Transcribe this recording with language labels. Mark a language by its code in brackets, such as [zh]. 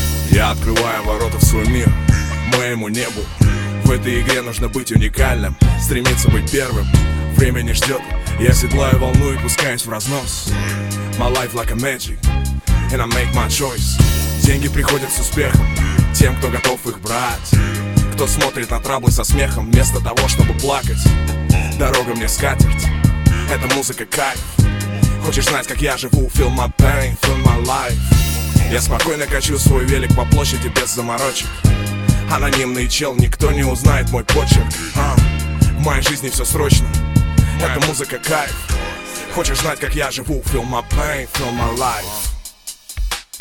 [ru] Я открываю ворота в свой мир, моему небу. В этой игре нужно быть уникальным, стремиться быть первым. Время не ждет, я седлаю волну и пускаюсь в разнос. [en] My life like a magic, and I make my choice. [ru] Деньги приходят с успехом, тем, кто готов их брать. Кто смотрит на траблы со смехом, вместо того, чтобы плакать. Дорога мне скатерть, это музыка кайф. Хочешь знать, как я живу? [en] Feel my pain, feel my life. [ru] Я спокойно качу свой велик по площади без заморочек. Анонимный чел, никто не узнает мой почерк. В моей жизни все срочно, эта музыка кайф. Хочешь знать, как я живу? [en] Feel my pain, feel my life.